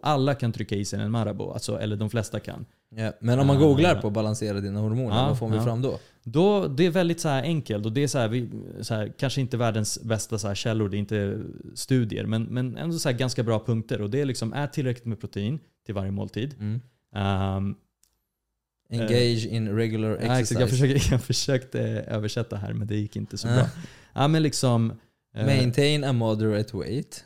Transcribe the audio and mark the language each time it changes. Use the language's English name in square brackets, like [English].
[Swedish] Alla kan trycka i sig en Marabou, alltså, eller de flesta kan. Ja, men om man googlar på balansera dina hormoner, vad får vi fram då? Då det är väldigt så här enkelt, och det är så här, kanske inte världens bästa så här källor, det är inte studier, men ändå så här ganska bra punkter. Och det är liksom, ät tillräckligt med protein till varje måltid. Mm. [English] Engage in regular exercise. [Swedish] Jag försökte översätta här, men det gick inte så bra. Ja, men liksom... [English] Maintain a moderate weight.